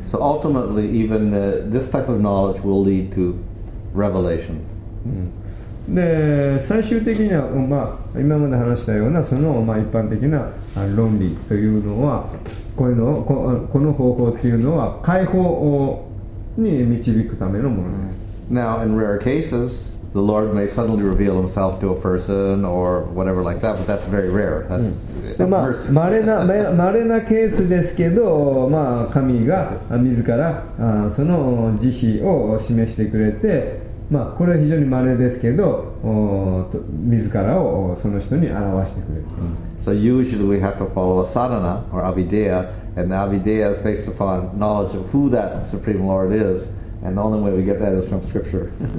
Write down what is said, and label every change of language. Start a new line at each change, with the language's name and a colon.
English: So ultimately even this type of knowledge will lead to revelation.
Japanese: で最終的には、まあ、今まで話したようなその、まあ、一般的な論理というのはこういうのこの方法というのは解放に導くためのものです。
English: Now in rare cases the Lord may suddenly reveal himself to a person or whatever like that, but that's very rare. That's
Japanese: でまあ、稀なケースですけど、まあ、神が自らその慈悲を示してくれて、まあ、これは非常に稀ですけど自らをその人に表してくれる。
English: So usually we have to follow a sadhana or avideya, and the avideya is based upon knowledge of who that Supreme Lord is, and the only way we get that is from scripture.